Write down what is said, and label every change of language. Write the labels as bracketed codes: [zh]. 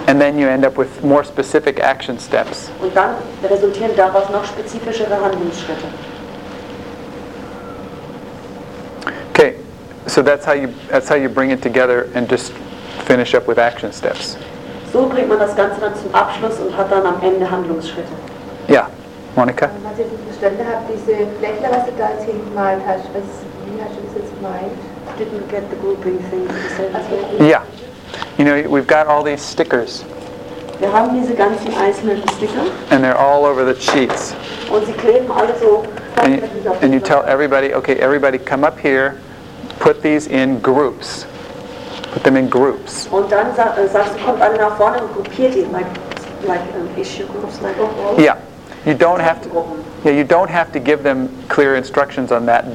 [en] And then you end up with more specific action steps. [de] Und dann resultieren daraus noch spezifischere Handlungsschritte. [en] Okay, so that's how you bring it together and just finish up with action steps. [de] So bringt man das Ganze dann zum Abschluss und hat dann am Ende Handlungsschritte. Ja, Monika? Wenn man jetzt verstanden hat, diese Flächen, was du da jetzt hingemalt hast, wie hast du das jetzt gemeint? [en] Didn't get the grouping thing. Ja. You know, we've got all these stickers. [de] Wir haben diese ganzen einzelnen Sticker. [en] And they're all over the sheets. [de] Und sie kleben alle so. [en] And you tell everybody, okay, everybody come up here, put these in groups. Put them in groups. [de] Und dann sagst du, kommt alle nach vorne und gruppiert die, [en] issue groups, Yeah. You don't have to give them clear instructions on that.